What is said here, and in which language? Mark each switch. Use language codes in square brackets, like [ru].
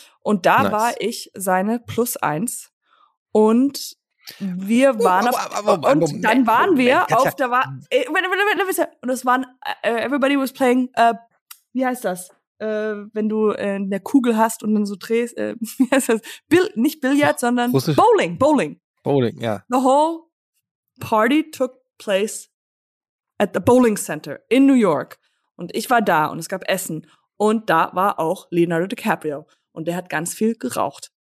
[de] Und da war ich seine Plus Eins. Und wir waren und es waren [en] everybody was playing [de] wie heißt das? Wenn du eine Kugel hast und dann so drehst, wie heißt das? Nicht Billard, sondern Russisch. [en] Bowling, [de] ja. [en] The whole party took place at the Bowling Center in New York. [de] Und ich war da und es gab Essen. Und da war auch Leonardo DiCaprio. Und der hat ganz viel geraucht.